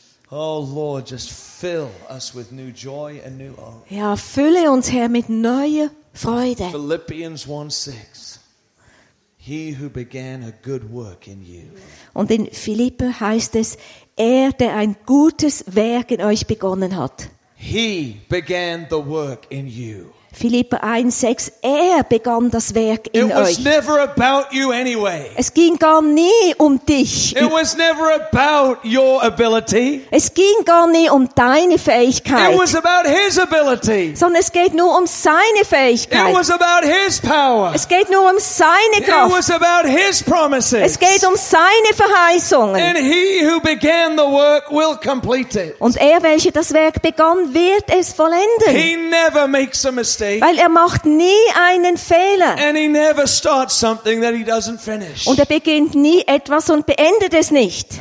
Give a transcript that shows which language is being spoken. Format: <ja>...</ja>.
<en>Oh Lord, just fill us with new joy and new hope.</en> <de>Ja, fülle uns, Herr, mit neuer Freude.</de> <en>Philippians 1:6. He who began a good work in you.</en> <de>Und in Philipper heißt es, er, der ein gutes Werk in euch begonnen hat.</de> <en>He began the work in you.</en> <de>Philipper 1:6, er begann das Werk in</de> <en>it was</en> <de>euch.</de> <en>Never about you anyway.</en> <de>Es ging gar nie um dich.</de> <en>It was never about your ability.</en> <de>Es ging gar nie um deine Fähigkeit.</de> <en>It was about his ability.</en> <de>Sondern es geht nur um seine Fähigkeit.</de> <en>It was about his power.</en> <de>Es geht nur um seine Kraft.</de> <en>It was about his promises.</en> <de>Es geht um seine Verheißungen.</de> <en>And he who began the work will complete it.</en> <de>Und er, welcher das Werk begann, wird es vollenden.</de> <en>He never makes a mistake.</en> <de>Weil er macht nie einen Fehler.</de> <en>And he never starts something that he doesn't finish.</en> <de>Und er beginnt nie etwas und beendet es nicht.</de>